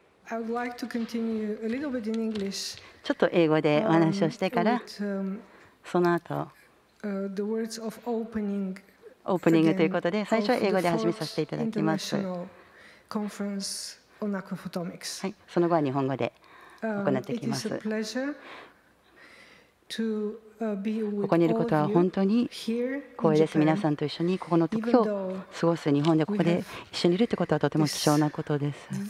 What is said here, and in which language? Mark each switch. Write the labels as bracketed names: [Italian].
[English] I would like to continue a little bit in English. [Japanese] ちょっと英語でお話をしてから、その後、 [English] the words of opening, [Japanese] オープニングということで、最初は英語で始めさせていただきます。 [English] Conference on aquaphotomics. [Japanese] はい、その後は日本語で行ってきます。 [English] It is a pleasure to be with [Japanese] ここにいることは本当に光栄です。皆さんと一緒にここの時を過ごす日本でここで一緒にいるということはとても貴重なことです。